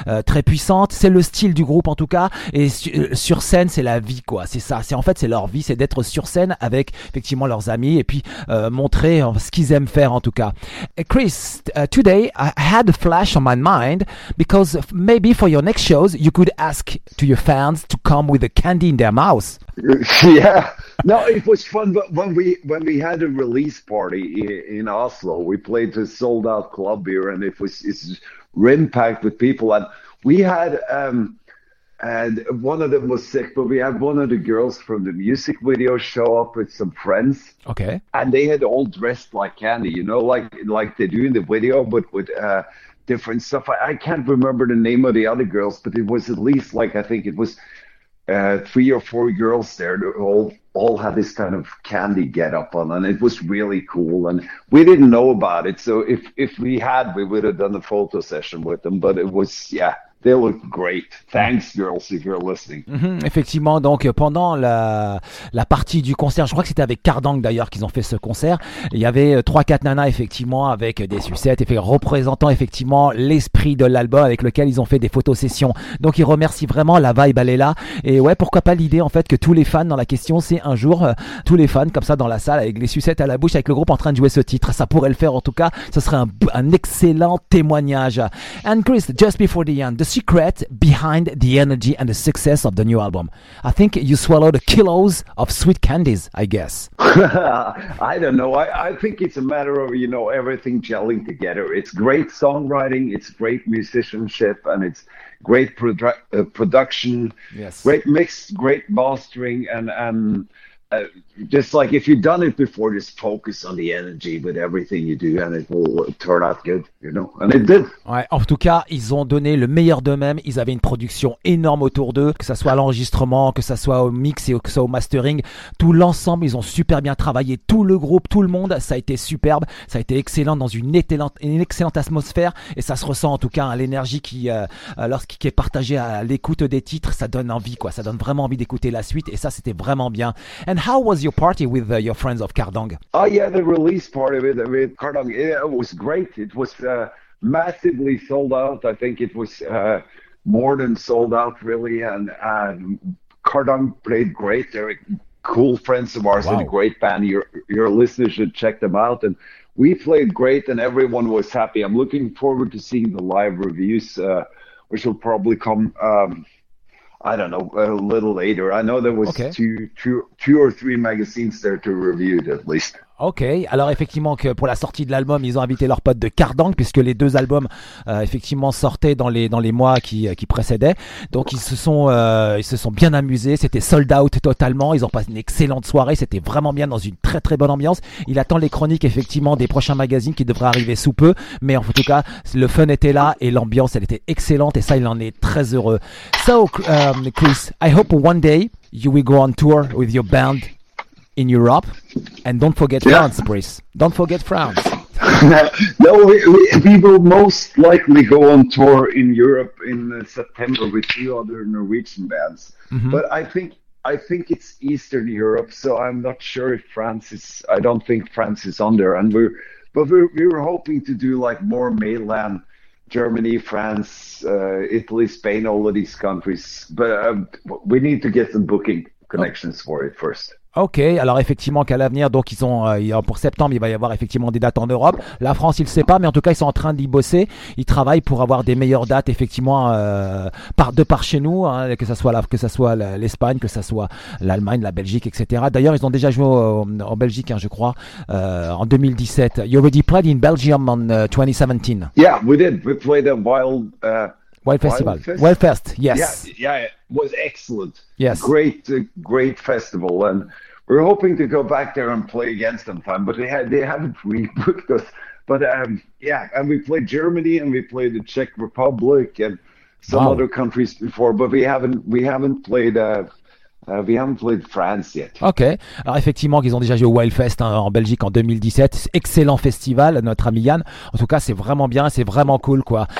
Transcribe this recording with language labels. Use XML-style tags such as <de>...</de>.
<fr>très puissante, c'est le style du groupe en tout cas, et sur scène c'est la vie quoi, c'est ça, c'est en fait c'est leur vie, c'est d'être sur scène avec effectivement leurs amis et puis montrer ce qu'ils aiment faire en tout cas.</fr> <en>Chris, today I had a flash on my mind because maybe for your next shows you could ask to your fans to come with a candy in their mouth. Yeah, no, it was fun, but when we had a release party in Oslo, we played a sold out club here, and it's rim packed with people, and we had and one of them was sick, but we had one of the girls from the music video show up with some friends. Okay. And they had all dressed like candy, you know, like they do in the video, but with different stuff. I can't remember the name of the other girls, but it was at least like, I think it was three or four girls there that all had this kind of candy get up on, and it was really cool, and we didn't know about it, so if we had, we would have done a photo session with them, but it was, yeah, they look great. Thanks, girls, if you're listening. Mm-hmm.</en> <fr>Effectivement, donc pendant la partie du concert, je crois que c'était avec Cardang d'ailleurs qu'ils ont fait ce concert, il y avait 3-4 nanas effectivement avec des sucettes, représentant effectivement l'esprit de l'album avec lequel ils ont fait des photosessions. Donc ils remercient vraiment, la vibe, elle est là. Et ouais, pourquoi pas l'idée en fait que tous les fans dans la question, c'est un jour, tous les fans comme ça dans la salle avec les sucettes à la bouche, avec le groupe en train de jouer ce titre. Ça pourrait le faire en tout cas, ce serait un excellent témoignage.</fr> <en>And Chris, just before the end, the secret behind the energy and the success of the new album. I think you swallowed kilos of sweet candies, I guess. I don't know. I think it's a matter of, you know, everything gelling together. It's great songwriting, it's great musicianship, and it's great production, yes. Great mix, great mastering, and just like if you've done it before, just focus on the energy with everything you do and it will turn out good, you know, and it did.</en> <fr>Ouais, en tout cas, ils ont donné le meilleur d'eux-mêmes, ils avaient une production énorme autour d'eux, que ça soit à l'enregistrement, que ça soit au mix et que ça soit au mastering, tout l'ensemble, ils ont super bien travaillé, tout le groupe, tout le monde, ça a été superbe, ça a été excellent dans une excellente atmosphère, et ça se ressent en tout cas, hein, l'énergie qui est partagée à l'écoute des titres, ça donne envie quoi, ça donne vraiment envie d'écouter la suite, et ça c'était vraiment bien.</fr> <en>And how was your party with your friends of Cardang? Oh yeah, the release party with Cardang, yeah, it was great. It was massively sold out. I think it was more than sold out, really, and Cardang played great. They're cool friends of ours. Wow. And a great band. Your listeners should check them out, and we played great and everyone was happy. I'm looking forward to seeing the live reviews, which will probably come I don't know, a little later. I know there was okay. two or three magazines there to review it at least.</en> <fr>Ok, alors effectivement que pour la sortie de l'album, ils ont invité leurs potes de Cardang, puisque les deux albums effectivement sortaient dans les mois qui précédaient. Donc ils se sont bien amusés, c'était sold out totalement, ils ont passé une excellente soirée, c'était vraiment bien dans une très très bonne ambiance. Il attend les chroniques effectivement des prochains magazines qui devraient arriver sous peu, mais en tout cas le fun était là et l'ambiance elle était excellente et ça il en est très heureux.</fr> <en>So Chris, I hope one day you will go on tour with your band in Europe, and don't forget France, Brice. Don't forget France. No, we will most likely go on tour in Europe in September with two other Norwegian bands. Mm-hmm. But I think it's Eastern Europe, so I'm not sure if France is. I don't think France is on there. And we were hoping to do like more mainland, Germany, France, Italy, Spain, all of these countries. But we need to get some booking connections for it first.</en> <fr>Ok, alors effectivement qu'à l'avenir, donc ils ont pour septembre, il va y avoir effectivement des dates en Europe. La France, il ne sait pas, mais en tout cas, ils sont en train d'y bosser. Ils travaillent pour avoir des meilleures dates, effectivement, par chez nous, hein, que ça soit l'Espagne, que ça soit l'Allemagne, la Belgique, etc. D'ailleurs, ils ont déjà joué en Belgique, hein, je crois, en 2017.</fr> <en>You already played in Belgium in 2017. Yeah, we did. We played a wild Wild Festival. Wildfest, yes. Yeah, it was excellent. Yes. Great, great festival. And we're hoping to go back there and play again sometime, but they haven't rebooked us. But and we played Germany and we played the Czech Republic and some other countries before, but we haven't played France yet.</en> <fr>Ok, alors effectivement qu'ils ont déjà joué au Wildfest hein, en Belgique en 2017, excellent festival, notre ami Yann. En tout cas, c'est vraiment bien, c'est vraiment cool quoi.</fr>